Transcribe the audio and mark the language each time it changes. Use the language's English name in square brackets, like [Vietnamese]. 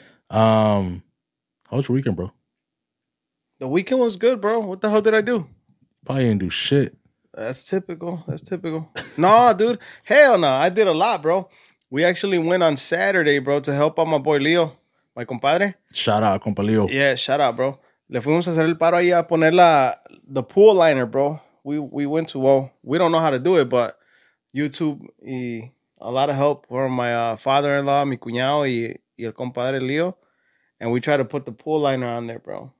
[English] How was your weekend, bro? The weekend was good, bro. What the hell did I do? Probably didn't do shit. That's typical. No, dude. Hell no. I did a lot, bro. We actually went on Saturday, bro, to help out my boy Leo, my compadre. Shout out, compa Leo. Yeah, shout out, bro. [Spanish] Le fuimos a hacer el paro ahí a poner [English] the pool liner, bro. We went to, well, we don't know how to do it, but YouTube, y a lot of help from my father-in-law, [Spanish] mi cuñado, y y el compadre Leo, [English] and we tried to put the pool liner on there, bro.